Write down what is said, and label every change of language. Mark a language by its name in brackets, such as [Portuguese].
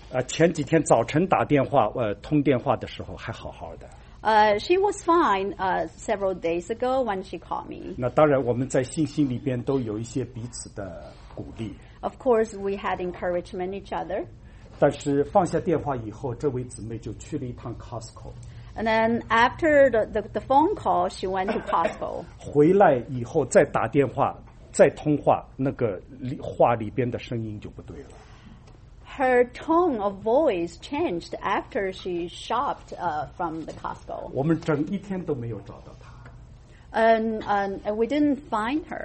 [Chinese] 前几天早晨打电话通电话的时候还好好的。 [English] She was fine several days ago when she called me. [Chinese] 那当然我们在信心里边都有一些彼此的鼓励。 [English] Of course, we had encouragement each other. [Chinese] 但是放下电话以后，这位姊妹就去了一趟 Costco。 [English] And then after the phone call, she went to Costco. [Chinese] 回来以后再打电话。再通话，那个话里边的声音就不对了。 [English] Her tone of voice changed after she shopped from the Costco. [Chinese] 我们整一天都没有找到她。 [English] And we didn't find her.